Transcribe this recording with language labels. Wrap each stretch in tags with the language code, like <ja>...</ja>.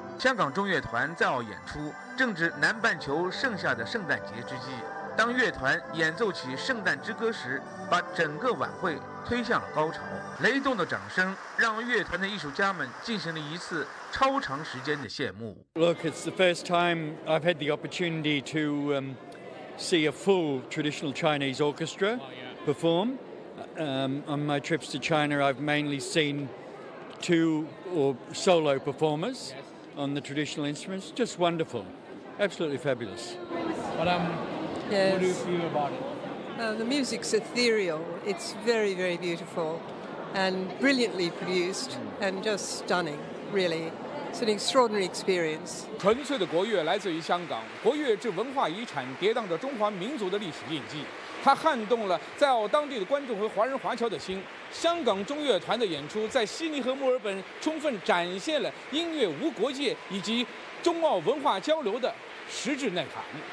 <zh>香港中乐团在澳演出正值南半球盛夏的圣诞节之际，当乐团演奏起圣诞之歌时，把整个晚会推向了高潮。雷动的掌声让乐团的艺术家们进行了一次超长时间的谢幕。</zh> <en>Look, it's the first time I've had the opportunity to see a full traditional Chinese orchestra perform. On my trips to China, I've mainly seen two or solo performers on the traditional instruments. Just wonderful. Absolutely fabulous. What do you feel about it? The music's ethereal. It's very, very beautiful and brilliantly produced and just stunning, really. It's an extraordinary experience.</en> <zh>纯粹的国乐来自于香港，国乐这文化遗产跌宕着中华民族的历史印记，它撼动了在澳当地的观众和华人华侨的心。香港中乐团的演出在悉尼和墨尔本充分展现了音乐无国界以及中澳文化交流的实质内涵。</zh>